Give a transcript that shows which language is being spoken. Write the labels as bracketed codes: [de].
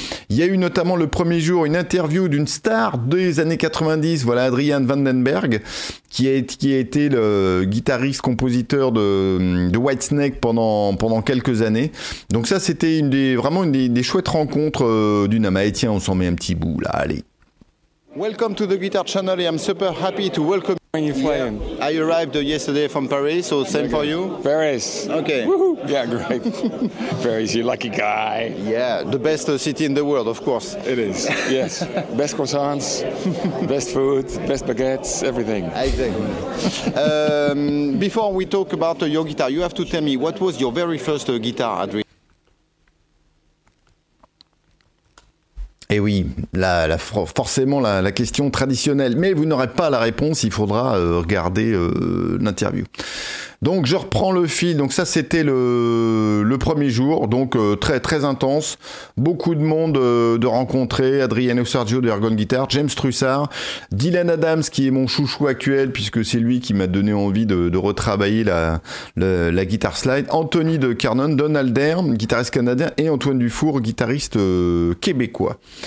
[fr] Il y a eu notamment le premier jour une interview d'une star des années 90, voilà, Adrian Vandenberg, qui a été le guitariste-compositeur de Whitesnake pendant quelques années. Donc ça, c'était une des chouettes rencontres du NAMM. Et tiens, on s'en met un petit bout, là, allez. [en] Welcome to the Guitar Channel, I'm super happy to welcome you. When you fly in. Yeah. I arrived yesterday from Paris, so same okay. For you. Paris. Okay. Woohoo. Yeah, great. Paris, you lucky guy. Yeah, the best city in the world, of course. It is, yes. Best croissants, best food, best baguettes, everything. Exactly. Before we talk about your guitar, you have to tell me, what was your very first guitar, Adrien? [fr] Et oui, forcément la question traditionnelle, mais vous n'aurez pas la réponse, il faudra regarder l'interview. Donc je reprends le fil, donc ça c'était le premier jour, donc très très intense, beaucoup de monde de rencontrer, Adriano Sergio de Ergon Guitar, James Trussard, Dylan Adams qui est mon chouchou actuel puisque c'est lui qui m'a donné envie de retravailler la guitare slide, Anthony de Kernon, Donald Dern, guitariste canadien, et Antoine Dufour, guitariste québécois.